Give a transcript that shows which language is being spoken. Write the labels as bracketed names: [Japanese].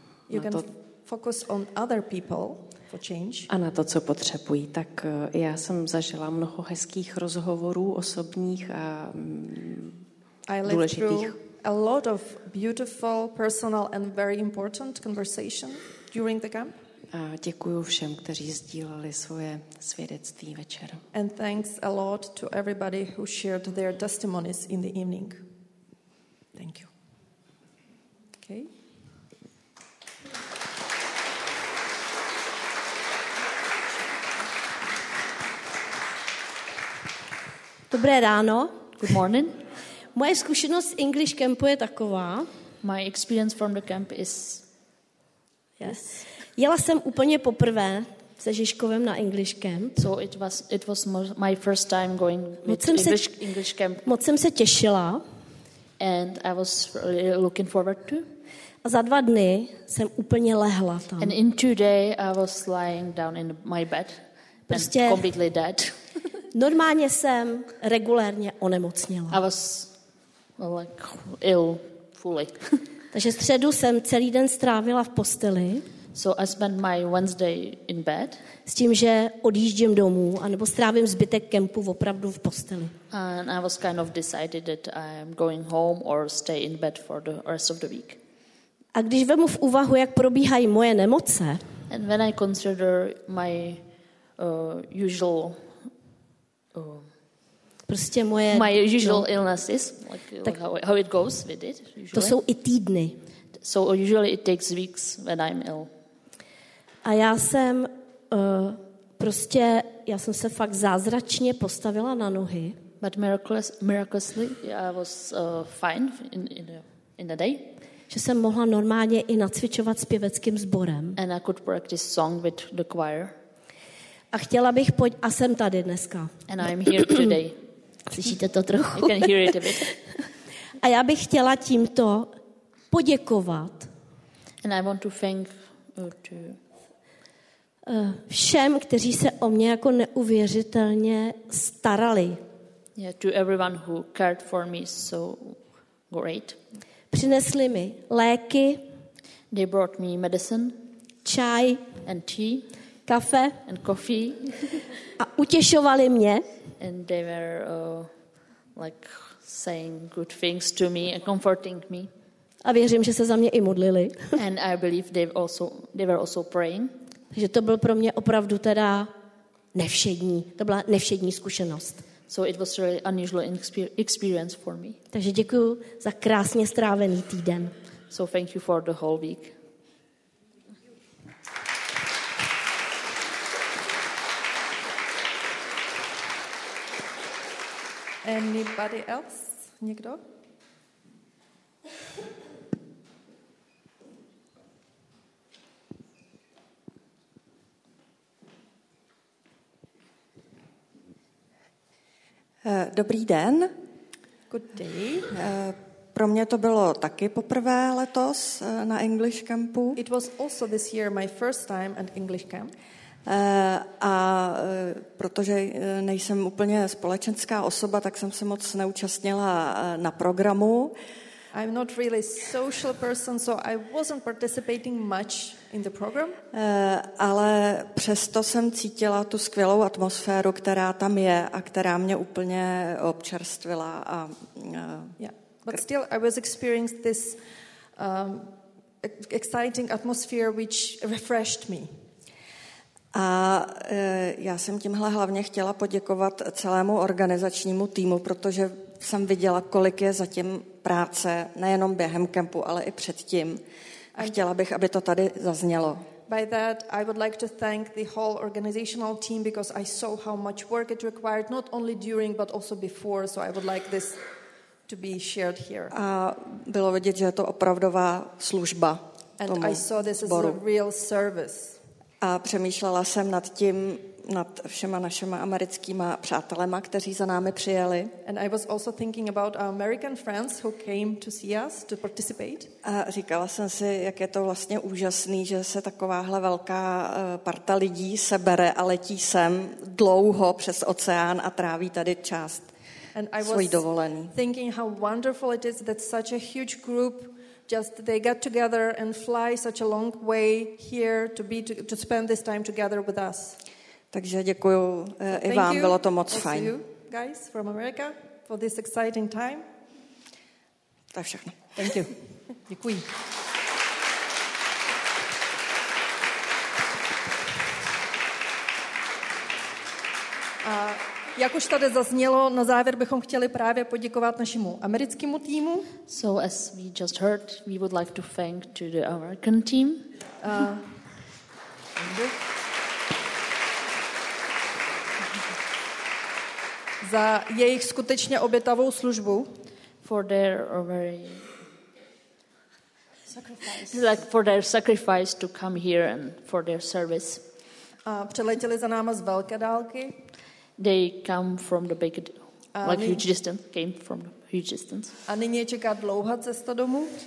[English] you can focus on other people for change. [Czech] A na to, co potřebují. Tak já jsem zažila mnoho hezkých rozhovorů osobních a důležitých. [English] I lived through a lot of beautiful personal and very important conversation during the camp. [Czech] A děkuju všem, kteří sdíleli svoje svědectví večer. [English] And thanks a lot to everybody who shared their testimonies in the evening. Thank you. Okay. [Czech] Dobré ráno. [English] Good morning. [Czech] Moje zkušenost z English Campu je taková. [English] My experience from the camp is... Yes. [Czech] Jela jsem úplně poprvé se Žižkovem na English camp. [English] So it was my first time going with English camp. [Czech] Moc jsem se těšila. [English] And I was really looking forward to. [Czech] A za dva dny jsem úplně lehla tam. [English] And in 2 days I was lying down in my bed. [Czech] Prostě [English] and completely dead. [Czech] Normálně jsem regulérně onemocněla. [English] I was like ill fully. [Czech] Takže středu jsem celý den strávila v posteli. [English] So I spent my Wednesday in bed. [Czech] S tím, že odjíždím domů a nebo strávím zbytek kempu opravdu v posteli. [English] And I was kind of decided that I am going home or stay in bed for the rest of the week. [Czech] A když vemu v úvahu, jak probíhají moje nemoce, [English] and when I consider my usual [Czech] prostě moje [English] my usual no, illnesses, like how it goes with it. Usually. [Czech] To jsou i týdny. [English] So usually it takes weeks when I'm ill. [Czech] A já jsem prostě, já jsem se fakt zázračně postavila na nohy. [English] But miraculously, I was fine in the day. [Czech] Že jsem mohla normálně i nacvičovat s pěveckým sborem. [English] And I could practice song with the choir. [Czech] A chtěla bych a jsem tady dneska. [English] And I'm here today. [Czech] Slyšíte to trochu? [English] You can hear it a bit. [Czech] A já bych chtěla tímto poděkovat. [English] And I want to thank to [Czech] všem, kteří se o mě jako neuvěřitelně starali. [English] Yeah, to everyone who cared for me so great. [Czech] Přinesli mi léky. [English] They brought me medicine. [Czech] Čaj. [English] And tea. [Czech] Kafe. [English] And coffee. [Czech] A utěšovali mě. [English] And they were like saying good things to me and comforting me. [Czech] A věřím, že se za mě i modlili. [English] And I believe they were also praying. [Czech] Že to byl pro mě opravdu teda nevšední. To byla nevšední zkušenost. [English] So it was really unusual experience for me. [Czech] Takže děkuju za krásně strávený týden. [English] So thank you for the whole week. Anybody else? [Czech] Někdo? Dobrý den. [English] Good day. [Czech] Pro mě to bylo taky poprvé letos na English campu. [English] It was also this year my first time at English camp. [Czech] A protože nejsem úplně společenská osoba, tak jsem se moc neúčastnila na programu. [English] I'm not really a social person, so I wasn't participating much in the program. [Czech] Ale přesto jsem cítila tu skvělou atmosféru, která tam je a která mě úplně občerstvila. A, [English] But still I was experiencing this exciting atmosphere which refreshed me. [Czech] A já jsem tímhle hlavně chtěla poděkovat celému organizačnímu týmu, protože jsem viděla, kolik je zatím práce, nejenom během kempu, ale i předtím. A chtěla bych, aby to tady zaznělo. [English] By that, I would like to thank the whole organizational team, because I saw how much work it required, not only during, but also before, so I would like this to be shared here. [Czech] A bylo vidět, že je to opravdová služba [English] and [Czech] tomu [English] I saw this [Czech] sboru. [English] As a real service. [Czech] A přemýšlela jsem nad tím, nad všema našima americkýma přátelema, kteří za námi přijeli. [English] And I was also thinking about our American friends who came to see us to participate. [Czech] A říkala jsem si, jak je to vlastně úžasný, že se takováhle velká parta lidí sebere a letí sem dlouho přes oceán a tráví tady část svojí dovolený. [English] And I was thinking how wonderful it is that such a huge group just they get together and fly such a long way here to spend this time together with us. [Czech] Takže děkuju i vám, bylo to moc fajn. [English] Thank you, guys from America, for this exciting time. [Czech] To je všechno. [English] Thank you. [Czech] Děkuji. A jak už tady zaznělo, na závěr bychom chtěli právě poděkovat našemu americkému týmu. [English] So as we just heard, we would like to thank to the American team. [Czech] Za jejich skutečně obětavou službu. [English] For their very sacrifice. Like for their sacrifice to come here and for their service. [Czech] A přeletěli za náma z velké dálky. [English] They come from the big, like huge distance. Came from the huge distance. [Czech] A nyní je čeká dlouhá cesta domů.